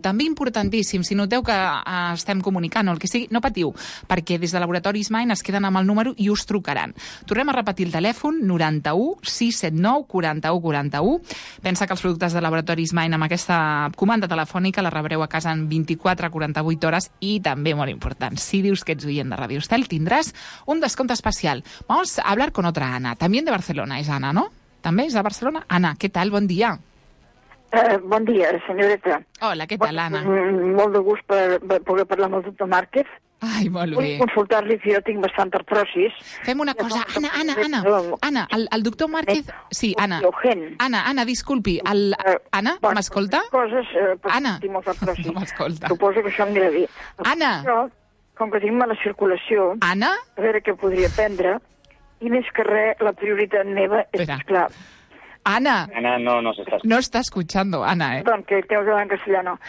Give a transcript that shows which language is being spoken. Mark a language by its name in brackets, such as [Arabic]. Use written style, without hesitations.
[Catalan] També importantíssim, si noteu que estem comunicant o el que sigui, no patiu, perquè des de Laboratori Smine es queden amb el número i us trucaran. Tornem a repetir el telèfon, 91-679-4141. Pensa que els productes de Laboratori Smine amb aquesta comanda telefònica la rebreu a casa en 24-48 hores i també, molt important, si dius que ets oient de Radio Estel, tindràs un descompte especial. [Spanish] Vamos a hablar con otra Ana, también de Barcelona, és Ana, no? [Catalan] També és de Barcelona. Ana, què tal? Bon dia. Bon dia, senyoreta. Hola, què tal, Ana? Molt de gust per poder parlar amb el doctor Márquez. Ai, molt bé. Vull consultar-li si jo tinc bastant artrosis. Fem una cosa. Ana, Ana, el doctor Márquez... Sí, Ana. Ana, disculpi. Ana, m'escolta? Ana, no m'escolta. Suposo que això em diré. Ana! Com que tinc mala circulació... Ana! A veure què podria prendre. I més que res, la prioritat meva és esclar. Ana. [Spanish] Ana, no se está escuchando. No está escuchando, Ana, ¿eh? Perdón, que tengo que hablar en castellano.